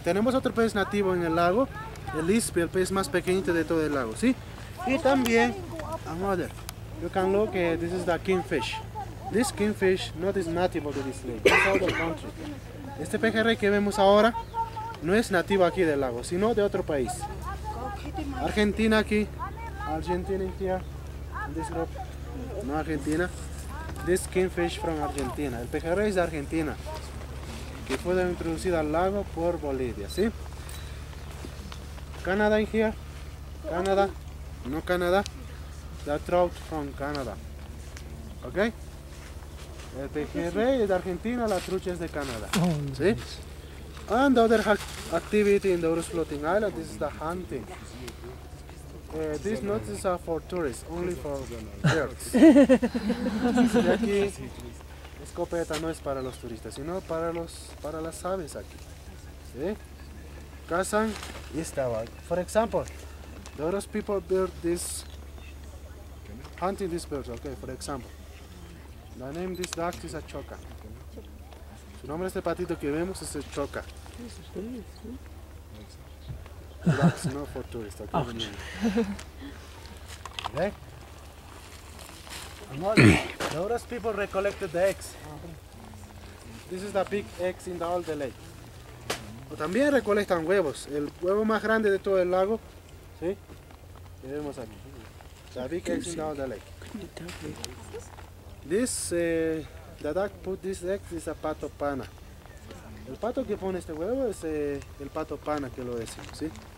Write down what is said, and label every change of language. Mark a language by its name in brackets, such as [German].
[Spanish] Tenemos otro pez nativo en el lago, el ispi, el pez más pequeñito de todo el lago, ¿sí? Y también, [English] another, you can look, this is the kingfish. This kingfish not is native of this lake, it's out of country. [Spanish] Este pejerrey que vemos ahora no es nativo aquí del lago, sino de otro país. [English] Argentina aquí, Argentina here, this group, no Argentina. This kingfish from Argentina, [Spanish] el pejerrey es de Argentina, que fue introducido al lago por Bolivia, ¿sí? [English] Canada in here, Canada, no Canada, the trout from Canada, ¿ok? [Spanish] El pejerrey es de Argentina, la trucha es de Canadá, ¿sí? [English] And the other activity in the Urus Floating Island, this is the hunting. This not is for tourists, only for the birds. [Spanish] Y aquí, escopeta no es para los turistas, sino para los, para las aves aquí, ¿sí? Cazan y estaba. [English] For example, the Urus people build this, hunting these birds, okay, for example. The name of this duck is a choca. [Spanish] Su nombre de este patito que vemos es el choca. [English] Ducks not for tourists. Okay. Okay. The Urus people recollected the eggs. This is the big eggs in all the lake. [Spanish] O también recolectan huevos. El huevo más grande de todo el lago, ¿sí? Que vemos aquí. [English] The big eggs in all the lake. This, the duck put this egg is a pato pana. [Spanish] El pato que pone este huevo es el pato pana que lo es, ¿sí?